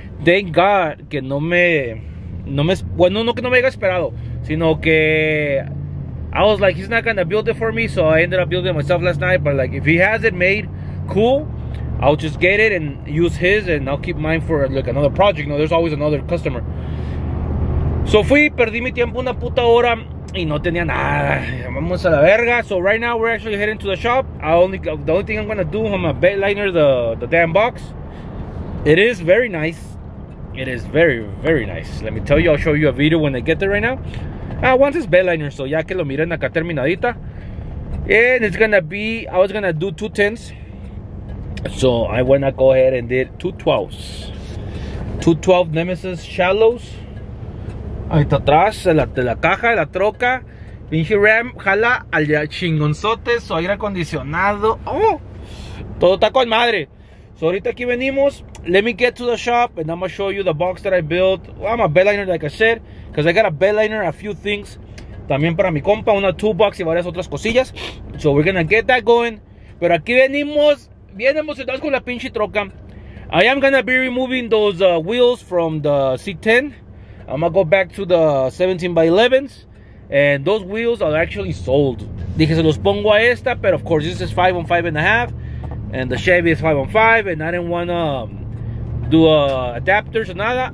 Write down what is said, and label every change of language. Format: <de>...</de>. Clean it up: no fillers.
<en>Thank God</en> <es>que no me, bueno, no que no me haya esperado, sino que</es> <en>I was like, he's not gonna build it for me, so I ended up building it myself last night. But like, if he has it made, cool, I'll just get it and use his, and I'll keep mine for like another project. You know, there's always another customer.</en> <es>So fui, perdí mi tiempo una puta hora y no tenía nada. Vamos a la verga.</es> <en>So right now we're actually heading to the shop. The only thing I'm gonna do, I'm gonna bedliner the damn box. It is very nice. It is very, very nice. Let me tell you, I'll show you a video when I get there right now. I want this bedliner, so</en> <es>ya que lo miren acá terminadita.</es> <en>And it's gonna be, I was gonna do 2 tens. So I went to go ahead and did 212s. 212 Nemesis Shallows.</en> <es>Ahí está atrás, de la caja, de la troca. Pinche Ram, jala al chingonzote, su aire acondicionado. Oh, todo está con madre. So ahorita aquí venimos.</es> <en>Let me get to the shop and I'm gonna show you the box that I built. Well, I'm a bed liner, like I said, because I got a bed liner, a few things.</en> <es>También para mi compa, una toolbox y varias otras cosillas.</es> <en>So we're gonna get that going.</en> <es>Pero aquí venimos, bien emocionados con la pinche troca.</es> <en>I am gonna be removing those wheels from the C10. I'm gonna go back to the 17x11s. And those wheels are actually sold.</en> <es>Dije, se los pongo a esta,</es> <en>but of course, this is 5x5.5. And the Chevy is 5x5. And I didn't wanna do adapters or nada.</en>